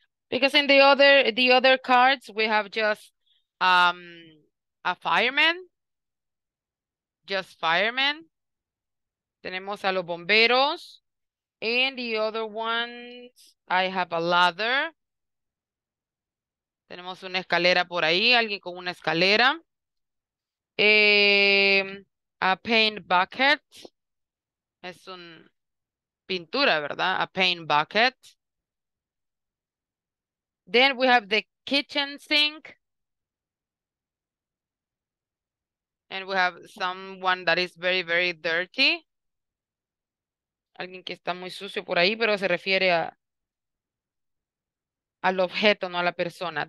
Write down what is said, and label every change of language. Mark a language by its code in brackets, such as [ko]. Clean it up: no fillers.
[en] Because in the other cards, we have just a fireman. Just fireman. [es] Tenemos a los bomberos. [en] And the other ones, I have a ladder. [es] Tenemos una escalera por ahí, alguien con una escalera. [en] A paint bucket. [es] Es un pintura, ¿verdad? [en] A paint bucket. Then we have the kitchen sink. And we have someone that is very, very dirty. [es] Alguien que está muy sucio por ahí, pero se refiere a al objeto, no a la persona.